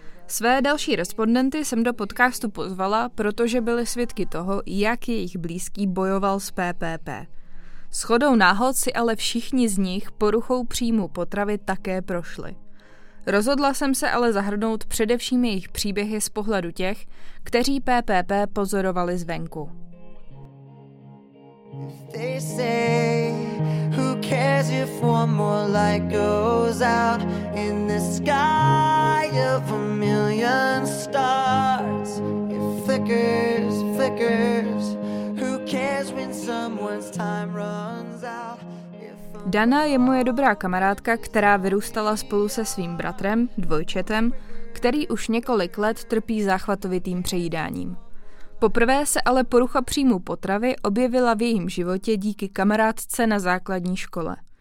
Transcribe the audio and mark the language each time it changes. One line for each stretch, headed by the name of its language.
Czech: Své další respondenty jsem do podcastu pozvala, protože byli svědky toho, jak jejich blízký bojoval s PPP. Shodou náhod si ale všichni z nich poruchou příjmu potravy také prošli. Rozhodla jsem se ale zahrnout především jejich příběhy z pohledu těch, kteří PPP pozorovali zvenku.
English: They say, who cares if one more light goes out in the sky of a million stars? It flickers, flickers. Who cares when someone's time runs out?
Czech: Dana je moje dobrá kamarádka, která vyrůstala spolu se svým bratrem, dvojčetem, který už několik let trpí záchvatovitým přejídáním. Poprvé se ale porucha příjmu potravy objevila v jejím životě díky kamarádce na základní škole.